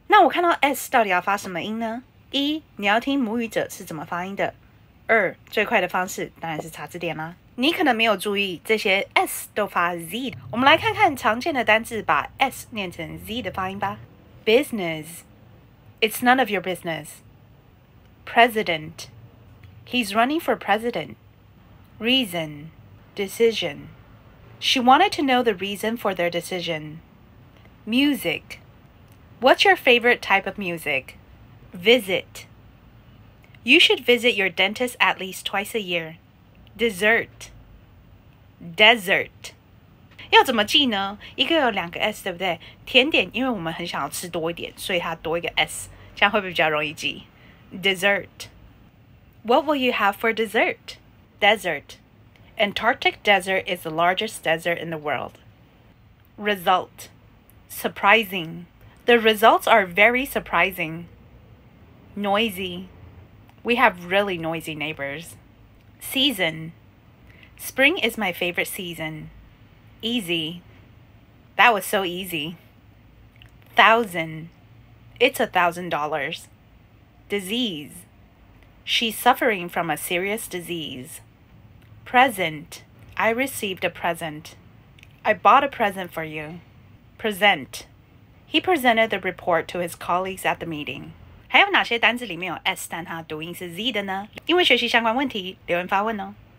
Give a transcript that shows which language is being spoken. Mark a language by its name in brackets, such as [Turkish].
[Chinese] 那我看到 S 到底要发什么音呢？一，你要听母语者是怎么发音的。二，最快的方式当然是查字典啦。你可能没有注意，这些 S 都发 Z。我们来看看常见的单字，把 S 念成 Z 的发音吧。 [English] Business, it's none of your business. President, he's running for president. Reason, decision. She wanted to know the reason for their decision. Music, what's your favorite type of music? Visit, you should visit your dentist at least twice a year. Dessert. [Chinese] Desert 要怎么记呢？一个有两个 S 对不对？甜点，因为我们很想要吃多一点，所以它多一个 S， 这样会不会比较容易记？ [English] Dessert. What will you have for dessert? Desert. Antarctic desert is the largest desert in the world. Result. Surprising. The results are very surprising. Noisy. We have really noisy neighbors. Season. Spring is my favorite season. Easy. That was so easy. Thousand. It's $1,000. Disease. She's suffering from a serious disease. Present. I received a present. I bought a present for you. Present. He presented the report to his colleagues at the meeting. [Chinese] 还有哪些单字里面有 S 但它读音是 Z 的呢？因为学习相关问题，留言发问哦。